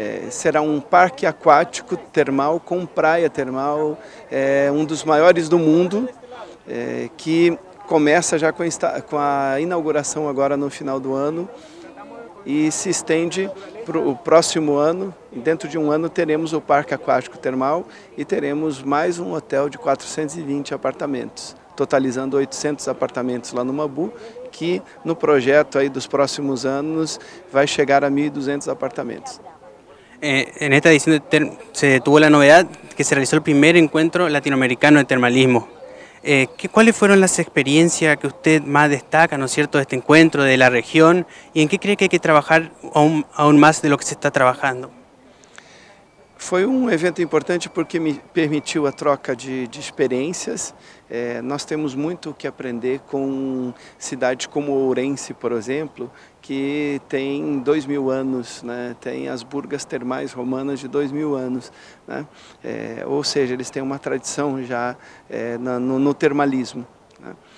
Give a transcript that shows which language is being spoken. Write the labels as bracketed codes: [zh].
[pt] Será um parque aquático termal com praia termal, um dos maiores do mundo, que começa já com a inauguração agora no final do ano e se estende para o próximo ano. Dentro de um ano teremos o parque aquático termal e teremos mais um hotel de 420 apartamentos, totalizando 800 apartamentos lá no Mabu, que no projeto aí dos próximos anos vai chegar a 1.200 apartamentos. [es] En esta edición se tuvo la novedad que se realizó el primer encuentro latinoamericano de termalismo. ¿Cuáles fueron las experiencias que usted más destaca, ¿no es cierto?, de este encuentro, de la región, y en qué cree que hay que trabajar aún más de lo que se está trabajando? Fue un evento importante porque me permitió la [pt] troca [es] de experiencias. [pt] Nós temos muito o que aprender com cidades como Ourense, por exemplo, que tem 2.000 anos, né? Tem as burgas termais romanas de 2.000 anos, né? Ou seja, eles têm uma tradição já no termalismo, né?